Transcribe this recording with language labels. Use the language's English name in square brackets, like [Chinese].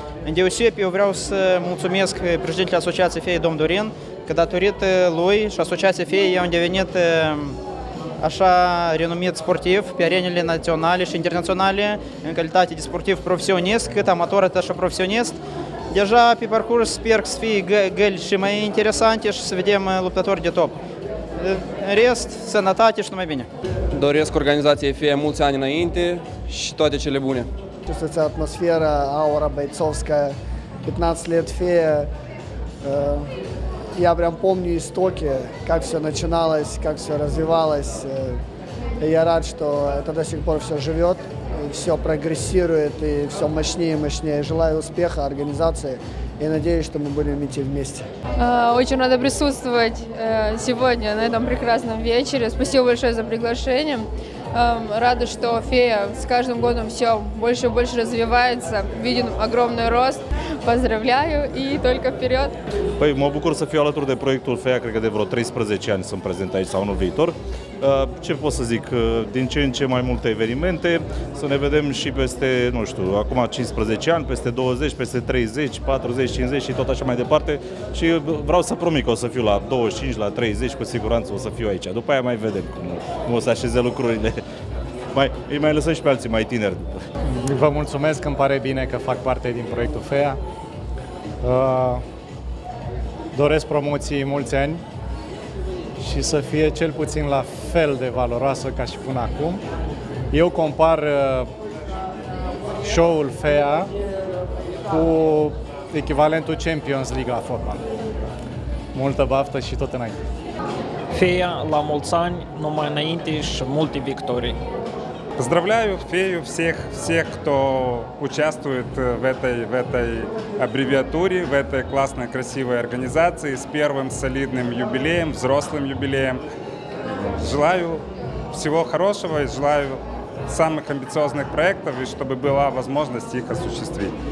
[Romanian] În deosebire, eu vreau să mulțumesc președintele Asociației FEA, domn Dorin, că datorită lui și Asociația FEA am devenit așa renumit sportiv pe arenele naționale și internaționale în calitate de sportiv profesionist, cât amator, atât și profesionist. Deja pe parcurs sper să fie găli și mai interesante și să vedem luptători de top. În rest, sănătate și numai bine! Doresc organizației FEA mulți ani înainte și toate cele bune! Această atmosferă, aura băițovscă, 15 ani FEA, [Russian] я прям помню истоки, как все начиналось, как все развивалось. Я рад, что это до сих пор все живет, и все прогрессирует, и все мощнее и мощнее. Желаю успеха организации и надеюсь, что мы будем идти вместе. Очень рада присутствовать сегодня на этом прекрасном вечере. Спасибо большое за приглашение. Рада, что ФЕА с каждым годом все больше и больше развивается, виден огромный рост. Поздравляю и только вперед! [Romanian] Păi, mă bucur să fiu alături de proiectul FEA, cred că de vreo 13 ani sunt prezent aici sau anul viitor. Ce pot să zic? Din ce în ce mai multe evenimente, să ne vedem și peste, nu știu, acum 15 ani, peste 20, peste 30, 40, 50 și tot așa mai departe. Și vreau să promit că o să fiu la 25, la 30, cu siguranță o să fiu aici. După aia mai vedem cum o să așeze lucrurile. Îi mai lăsăm și pe alții mai tineri. Vă mulțumesc, îmi pare bine că fac parte din proiectul FEA. Doresc promoții mulți ani și să fie cel puțin la fel de valoroasă ca și până acum. Eu compar show-ul FEA cu echivalentul Champions League la fotbal. Multă baftă și tot înainte. FEA la mulți ani, numai înainte și multe victorii. [Russian] Поздравляю фею всех, кто участвует в этой аббревиатуре, в этой классной, красивой организации с первым солидным юбилеем, взрослым юбилеем. Желаю всего хорошего и желаю самых амбициозных проектов, и чтобы была возможность их осуществить.